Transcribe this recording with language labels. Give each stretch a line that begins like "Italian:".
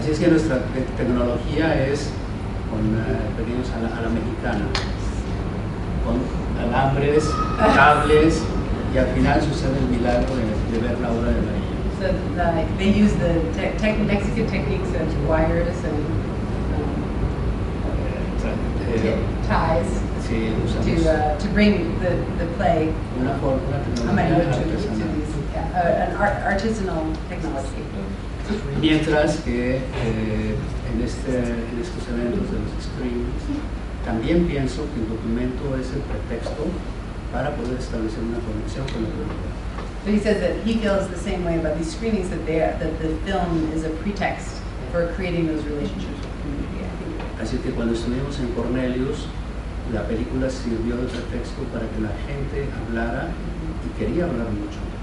Spanish: Así es que nuestra tecnología es con pedidos a la mexicana, con alambres, cables. Y al final sucede el milagro de ver la obra de María.
English: So like, they use the Mexican techniques of wires and ties to bring the play. Artisanal technology.
Spanish: Mientras que en estos eventos de los screens, también pienso que el documento es el pretexto para poder establecer una conexión con la comunidad.
English: So he says that he feels the same way about these screenings, that they are, that the film is a pretext for creating those relationships with the community.
Spanish: Así que cuando estuvimos en Cornelius, la película sirvió de pretexto para que la gente hablara y quería hablar mucho.